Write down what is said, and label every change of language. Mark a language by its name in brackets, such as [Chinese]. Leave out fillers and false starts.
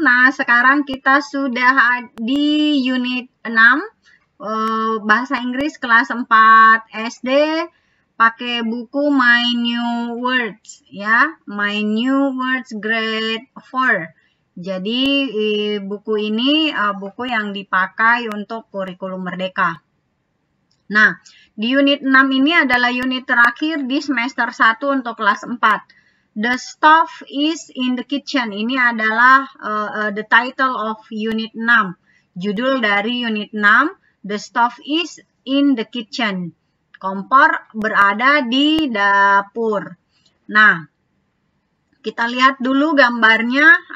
[Indonesian] Nah, sekarang kita sudah di unit 6, Bahasa Inggris kelas 4 SD, pakai buku My New Words, ya. My New Words Grade 4. Jadi, buku ini buku yang dipakai untuk kurikulum Merdeka. Nah, di unit 6 ini adalah unit terakhir di semester 1 untuk kelas 4. [English] The stove is in the kitchen. [Indonesian] Ini adalah [English] the title of unit 6. [Indonesian] Judul dari unit 6, [English] The stove is in the kitchen. [Indonesian] Kompor berada di dapur. Nah, kita lihat dulu gambarnya.